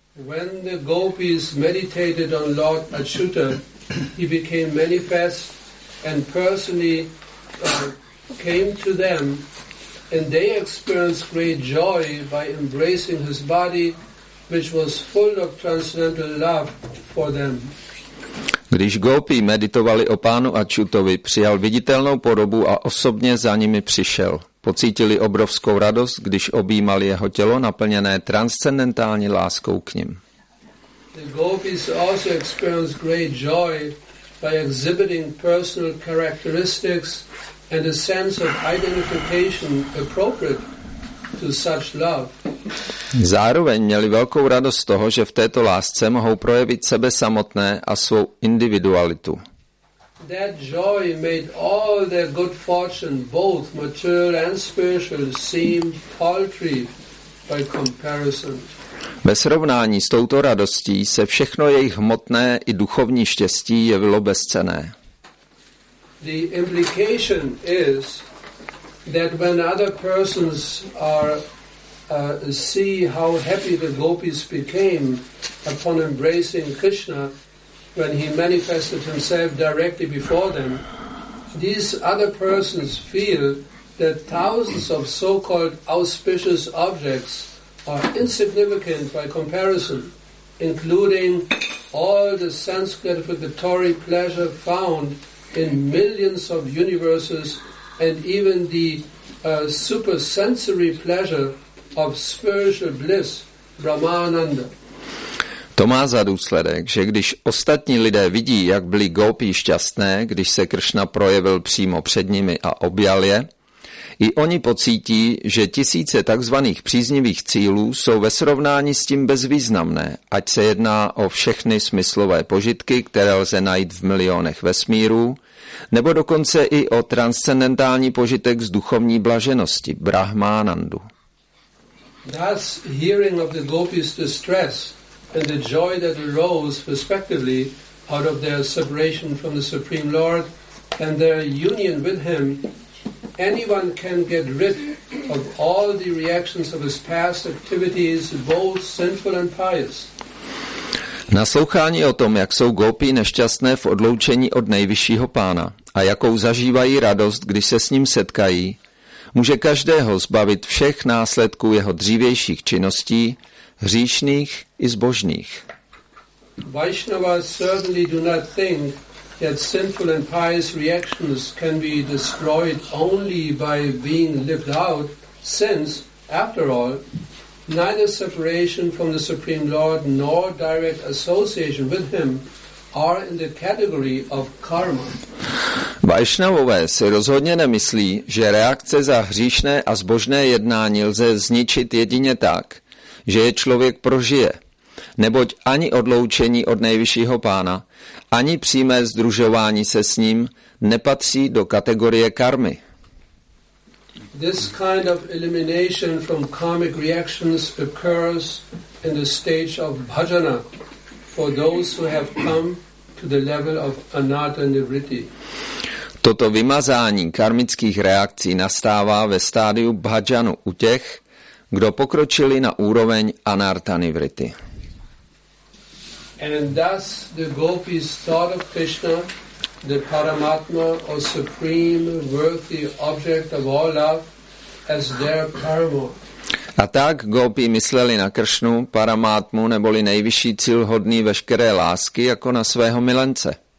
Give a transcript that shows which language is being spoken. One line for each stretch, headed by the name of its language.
English: When the gopis meditated on Lord Achyuta, he became manifest and personally came to them, and they experienced great joy by embracing his body, which was full of transcendental love for them.
Czech: Když gopi meditovali o pánu Achyutovi, přijal viditelnou podobu a osobně za nimi přišel. Pocítili obrovskou radost, když objímali jeho tělo naplněné transcendentální láskou k ním.
English: The gopis also experienced great joy by exhibiting personal characteristics and a sense of identification appropriate to such love.
Czech: Zároveň měli velkou radost toho, že v této lásce mohou projevit sebe samotné a svou individualitu.
English: That joy made all their good fortune, both material and spiritual, seem paltry by comparison.
Czech: Ve srovnání s touto radostí se všechno jejich hmotné i duchovní štěstí jevilo bezcenné.
English: The implication is that when other persons are see how happy the gopis became upon embracing Krishna when he manifested himself directly before them, these other persons feel that thousands of so-called auspicious objects are insignificant by comparison, including all the sense gratificatory pleasure found in millions of universes and even the supersensory pleasure of spiritual bliss, Brahmananda.
Czech: To má za důsledek, že když ostatní lidé vidí, jak byli gopí šťastné, když se Krishna projevil přímo před nimi a objal je, i oni pocítí, že tisíce takzvaných příznivých cílů jsou ve srovnání s tím bezvýznamné, ať se jedná o všechny smyslové požitky, které lze najít v milionech vesmírů, nebo dokonce i o transcendentální požitek z duchovní blaženosti, Brahmanandu.
English: Thus, hearing of the gopis' distress and the joy that arose respectively out of their separation from the Supreme Lord and their union with him, anyone can get rid of all the reactions of his past activities, both sinful and pious.
Czech: Naslouchání o tom, jak jsou gopi nešťastné v odloučení od nejvyššího pána a jakou zažívají radost, když se s ním setkají, může každého zbavit všech následků jeho dřívějších činností, hříšných i zbožných.
English: Vaishnavas certainly do not think that sinful and pious reactions can be destroyed only by being lived out, since, after all, neither separation from the Supreme Lord nor direct association with him are in the category of karma.
Czech: Vaishnavové si rozhodně nemyslí, že reakce za hříšné a zbožné jednání lze zničit jedině tak, že je člověk prožije. Neboť ani odloučení od nejvyššího pána, ani přímé sdružování se s ním nepatří do kategorie karmy.
English: This kind of elimination from karmic reactions occurs in the stage of bhajana for those who have come to the level of anatta nivritti.
Czech: Toto vymazání karmických reakcí nastává ve stádiu bhajanu u těch, kdo pokročili na úroveň anatta nivritti.
English: And thus the gopis thought of Krishna, the Paramatma or supreme worthy object of all love, as their paramour.
Czech: A tak gopi mysleli na Kršnu, Paramatmu, neboli nejvyšší cíl hodný veškeré lásky, jako na svého milence.